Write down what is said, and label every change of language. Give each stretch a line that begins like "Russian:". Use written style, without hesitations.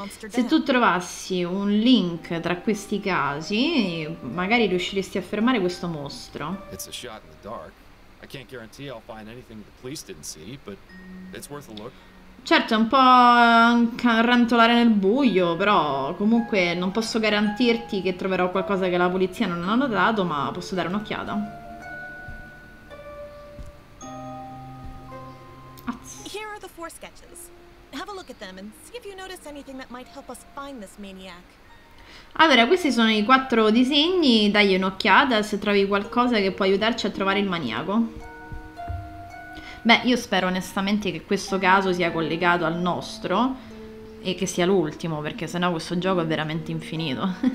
Italian: Se tu trovassi un link tra questi casi, magari riusciresti a fermare questo mostro.
English: It's a shot in the dark. I can't guarantee I'll find anything the police didn't see, but it's worth a look.
Italian: Certo, è un po' rantolare nel buio, però comunque non posso garantirti che troverò qualcosa che la polizia non ha notato, ma posso dare un'occhiata.
English: Here are the four sketches. Have a look at them and see if you notice anything that might help us find this maniac.
Italian: Allora, questi sono i quattro disegni. Dagli un'occhiata se trovi qualcosa che può aiutarci a trovare il maniaco. Beh, io spero onestamente che questo caso sia collegato al nostro e che sia l'ultimo, perché sennò questo gioco è veramente infinito.